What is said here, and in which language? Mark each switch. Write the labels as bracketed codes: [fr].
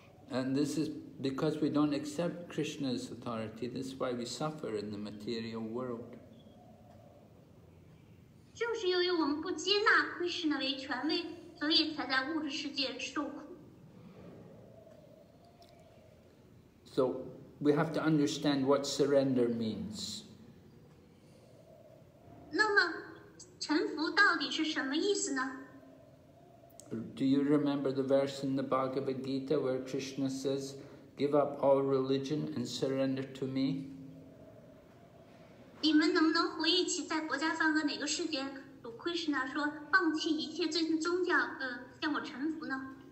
[en] And this is because we don't accept Krishna's authority, that's why we suffer in the material world. [zh] 正是由于我们不接纳 Krishna 为权威，所以才在物质世界受苦。 [en] So we have to understand what surrender means. [zh] 那么臣服到底是什么意思呢？ [en] Do you remember the verse in the Bhagavad Gita where Krishna says, give up all religion and surrender to me? [zh] 你们能不能回忆起在《薄伽梵歌》哪个世界主 Krishna 说放弃一切最近宗教向我臣服呢？